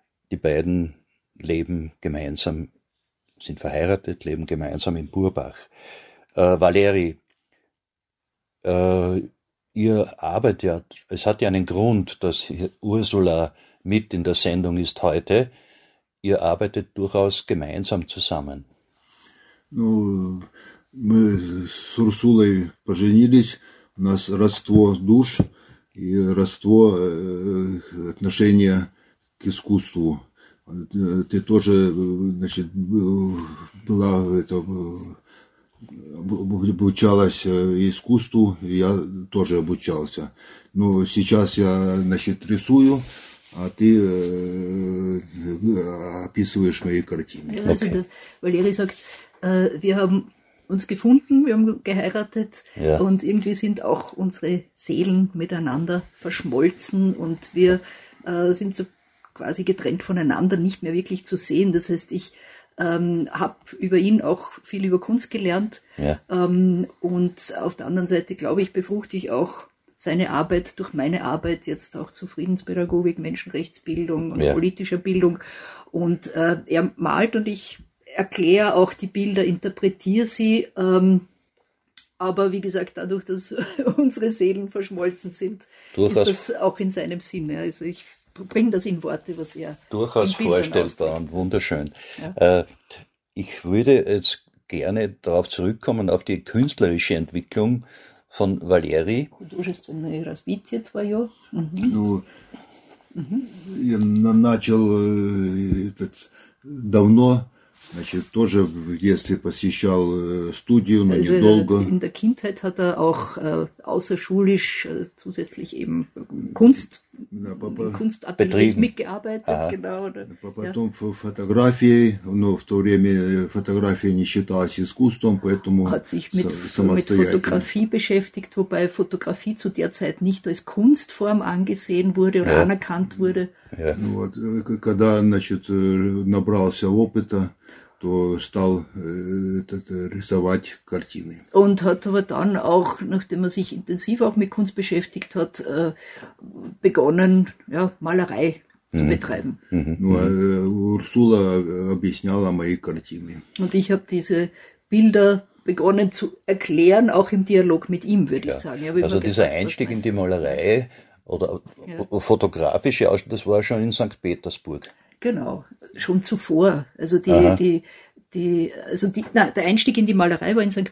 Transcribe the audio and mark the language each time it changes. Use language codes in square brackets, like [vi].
[de] Die beiden leben gemeinsam, sind verheiratet, leben gemeinsam in Burbach. Ihr arbeitet, es hat ja einen Grund, dass Ursula mit in der Sendung ist heute. Ihr arbeitet durchaus gemeinsam zusammen. [ru] Ну, мы с Урсулой поженились, у нас родство душ и родство отношения к искусству. Ты тоже, значит, была в этом. Обучалась искусству, я тоже обучался. Но сейчас я, значит, рисую, а ты описываешь мои картины. Okay. [de] Also, Валерий sagt, wir haben uns gefunden, wir haben geheiratet, yeah, und irgendwie sind auch unsere Seelen miteinander verschmolzen und wir sind so quasi getrennt voneinander, nicht mehr wirklich zu sehen. Das heißt, ich habe über ihn auch viel über Kunst gelernt, ja, und auf der anderen Seite, glaube ich, befruchte ich auch seine Arbeit durch meine Arbeit, jetzt auch zu Friedenspädagogik, Menschenrechtsbildung und, ja, politischer Bildung, und er malt und ich erkläre auch die Bilder, interpretiere sie, aber wie gesagt, dadurch, dass unsere Seelen verschmolzen sind, ist das auch in seinem Sinn, also ich bring das in Worte, was er durchaus vorstellbar und wunderschön. Ja. Ich würde jetzt gerne darauf zurückkommen, auf die künstlerische Entwicklung von Valeri. [ru] Художественное развитие твое. Я начал этот давно, значит, тоже в детстве посещал студию, но недолго. [de] In der Kindheit hat er auch außerschulisch zusätzlich eben Kunst, Kunstateliers mitgearbeitet, genau. Oder? [ru] Потом, ja, фотографии, но в то время фотография не считалась искусством, поэтому [de] hat sich mit Fotografie beschäftigt, wobei Fotografie zu der Zeit nicht als Kunstform angesehen wurde oder, ja, anerkannt wurde. Ja. [ru] Ну, вот, когда, значит, набрался опыта, то стал рисовать картины. [de] Und hat aber dann auch, nachdem er sich intensiv auch mit Kunst beschäftigt hat, begonnen, ja, Malerei zu betreiben. [ru] Урсула объясняла мои картины. [de] Und ich habe diese Bilder begonnen zu erklären, auch im Dialog mit ihm, würde, ja, ich sagen. Ich, also dieser gesagt, Einstieg in die Malerei oder, ja, fotografische Ausstellung, das war schon in St. Petersburg. Genau, schon zuvor. Also der Einstieg in die Malerei war in St.